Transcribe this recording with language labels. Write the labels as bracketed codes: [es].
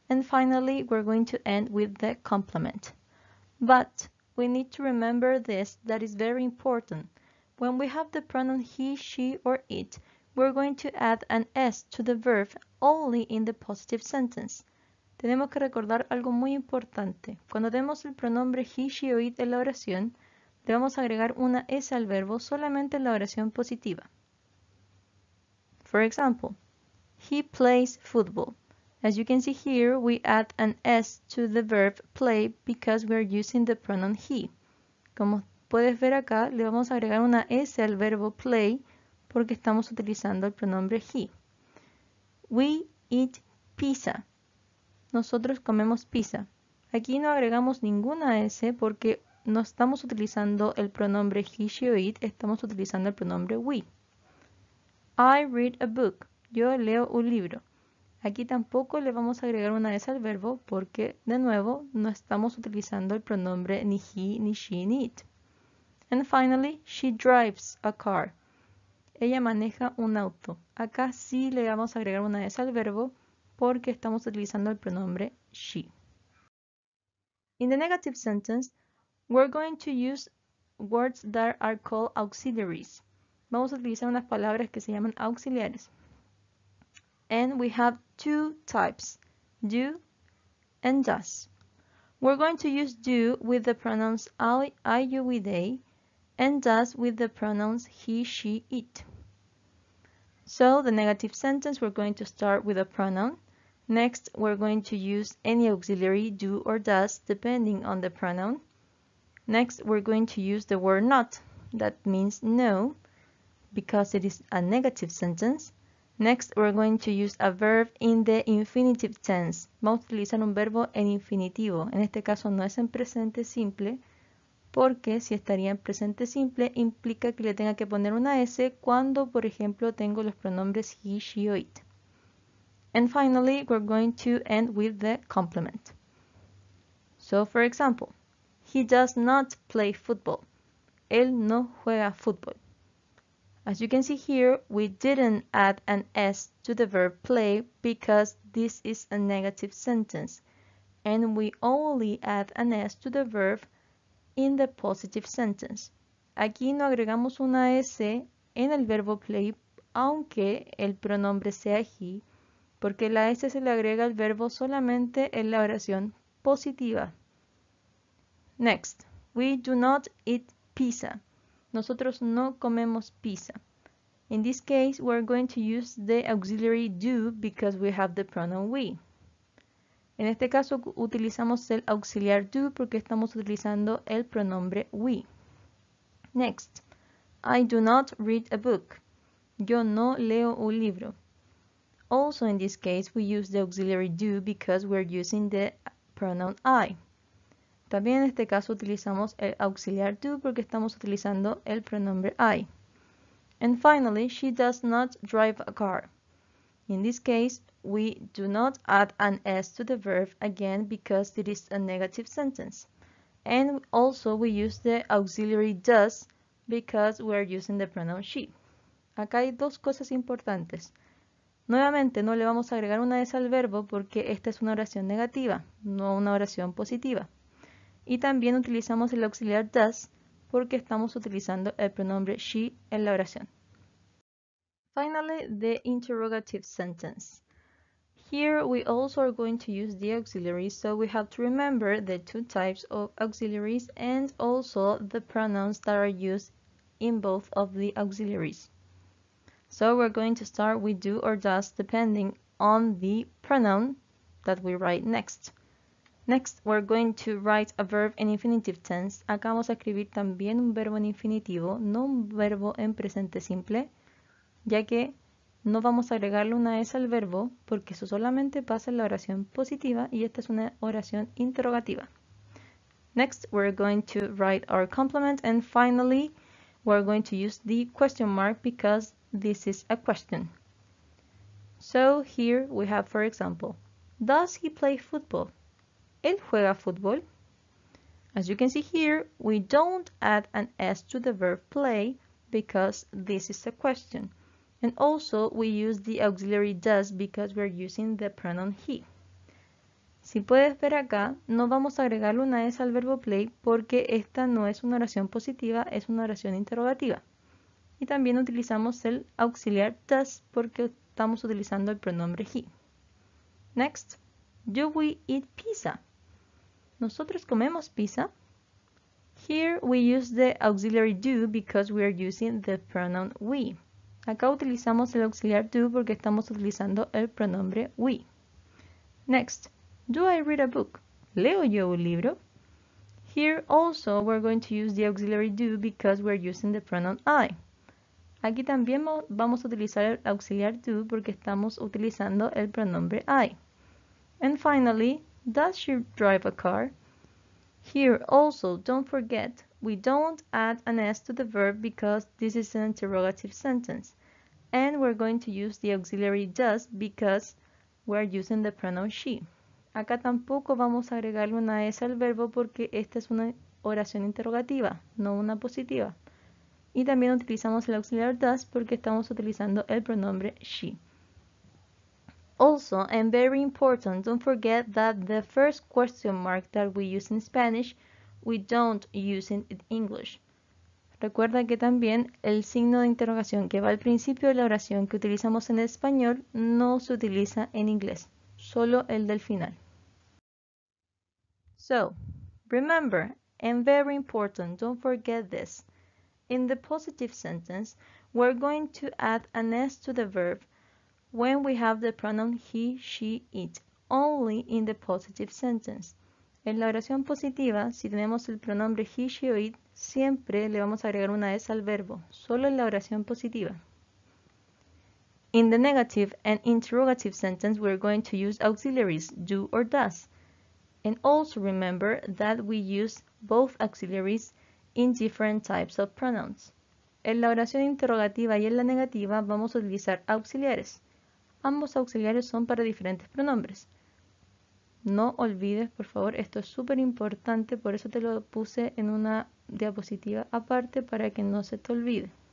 [en] And finally, we're going to end with the complement. But we need to remember this, that is very important. When we have the pronoun he, she, or it, we're going to add an S to the verb only in the positive sentence. [es] Tenemos que recordar algo muy importante. Cuando demos el pronombre he, she, or it en la oración, debemos agregar una S al verbo solamente en la oración positiva. [en] For example, he plays football. As you can see here, we add an S to the verb play because we are using the pronoun he. [es] Como puedes ver acá, le vamos a agregar una S al verbo play porque estamos utilizando el pronombre he. [en] We eat pizza. [es] Nosotros comemos pizza. Aquí no agregamos ninguna S porque no estamos utilizando el pronombre he, she, or it, estamos utilizando el pronombre we. [en] I read a book. [es] Yo leo un libro. Aquí tampoco le vamos a agregar una S al verbo porque, de nuevo, no estamos utilizando el pronombre ni he, ni she, ni it. [en] And finally, she drives a car. [es] Ella maneja un auto. Acá sí le vamos a agregar una S al verbo porque estamos utilizando el pronombre she. [en] In the negative sentence, we're going to use words that are called auxiliaries. [es] Vamos a utilizar unas palabras que se llaman auxiliares. [en] And we have two types, do and does. We're going to use do with the pronouns I, you, we, they, and does with the pronouns he, she, it. So the negative sentence, we're going to start with a pronoun. Next, we're going to use any auxiliary, do or does, depending on the pronoun. Next, we're going to use the word not, that means no, because it is a negative sentence. Next, we're going to use a verb in the infinitive tense. [es] Vamos a utilizar un verbo en infinitivo. En este caso no es en presente simple, porque si estaría en presente simple, implica que le tenga que poner una S cuando, por ejemplo, tengo los pronombres he, she, or it. [en] And finally, we're going to end with the complement. So, for example, he does not play football. [es] Él no juega fútbol. [en] As you can see here, we didn't add an S to the verb play because this is a negative sentence. And we only add an S to the verb in the positive sentence. [es] Aquí no agregamos una S en el verbo play, aunque el pronombre sea he, porque la S se le agrega al verbo solamente en la oración positiva. [en] Next, we do not eat pizza. [es] Nosotros no comemos pizza. [en] In this case, we're going to use the auxiliary do because we have the pronoun we. [es] En este caso, utilizamos el auxiliar do porque estamos utilizando el pronombre we. [en] Next, I do not read a book. [es] Yo no leo un libro. [en] Also, in this case, we use the auxiliary do because we're using the pronoun I. [es] También en este caso utilizamos el auxiliar do porque estamos utilizando el pronombre I. [en] And finally, she does not drive a car. In this case, we do not add an S to the verb again because it is a negative sentence. And also we use the auxiliary does because we are using the pronoun she. [es] Acá hay dos cosas importantes. Nuevamente, no le vamos a agregar una S al verbo porque esta es una oración negativa, no una oración positiva. Y también utilizamos el auxiliar does porque estamos utilizando el pronombre she en la oración. [en] Finally, the interrogative sentence. Here we also are going to use the auxiliaries, so we have to remember the two types of auxiliaries and also the pronouns that are used in both of the auxiliaries. So we're going to start with do or does depending on the pronoun that we write next. Next, we're going to write a verb in infinitive tense. [es] Acá vamos a escribir también un verbo en infinitivo, no un verbo en presente simple, ya que no vamos a agregarle una S al verbo porque eso solamente pasa en la oración positiva y esta es una oración interrogativa. [en] Next, we're going to write our complement and finally, we're going to use the question mark because this is a question. So here we have, for example, does he play football? [es] ¿Él juega fútbol? [en] As you can see here, we don't add an S to the verb play because this is a question. And also, we use the auxiliary does because we're using the pronoun he. [es] Si puedes ver acá, no vamos a agregarle una S al verbo play porque esta no es una oración positiva, es una oración interrogativa. Y también utilizamos el auxiliar does porque estamos utilizando el pronombre he. [en] Next, do we eat pizza? [es] ¿Nosotros comemos pizza? [en] Here we use the auxiliary do because we are using the pronoun we. [es] Acá utilizamos el auxiliar do porque estamos utilizando el pronombre we. [en] Next, do I read a book? [es] ¿Leo yo un libro? [en] Here also we're going to use the auxiliary do because we're using the pronoun I. [es] Aquí también vamos a utilizar el auxiliar do porque estamos utilizando el pronombre I. [en] And finally, does she drive a car? Here also, don't forget, we don't add an S to the verb because this is an interrogative sentence. And we're going to use the auxiliary does because we're using the pronoun she. [es] Acá tampoco vamos a agregarle una S al verbo porque esta es una oración interrogativa, no una positiva. Y también utilizamos el auxiliar does porque estamos utilizando el pronombre she. [en] Also, and very important, don't forget that the first question mark that we use in Spanish, we don't use it in English. [es] Recuerda que también el signo de interrogación que va al principio de la oración que utilizamos en español no se utiliza en inglés, solo el del final. [en] So, remember, and very important, don't forget this. In the positive sentence, we're going to add an S to the verb when we have the pronoun he, she, it, only in the positive sentence. [es] En la oración positiva, si tenemos el pronombre he, she, or it, siempre le vamos a agregar una S al verbo, solo en la oración positiva. [en] In the negative and interrogative sentence, we're going to use auxiliaries, do or does. And also remember that we use both auxiliaries in different types of pronouns. [es] En la oración interrogativa y en la negativa, vamos a utilizar auxiliares. Ambos auxiliares son para diferentes pronombres. No olvides, por favor, esto es súper importante, por eso te lo puse en una diapositiva aparte para que no se te olvide.